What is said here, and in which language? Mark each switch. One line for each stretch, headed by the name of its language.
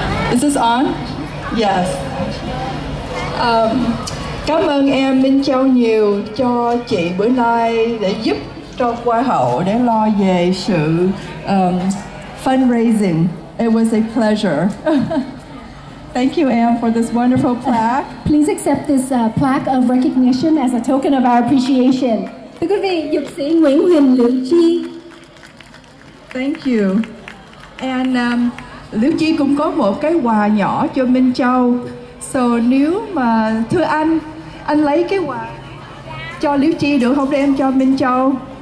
English: Is this on? Yes.
Vietnamese: Cảm ơn em Minh Châu nhiều cho chị bữa nay để giúp cho Hoa hậu để lo về sự fundraising.
English: It was a pleasure. Thank you, Em, for this wonderful plaque. Please accept this plaque of recognition as a token of our appreciation.
Vietnamese: Thưa quý vị, dược sĩ Nguyễn Huỳnh Liễu Chi.
English: Thank you.
Vietnamese: And Liễu Chi cũng có một cái quà nhỏ cho Minh Châu. So nếu mà thưa anh lấy cái quà cho Liễu Chi được không, để em cho Minh Châu.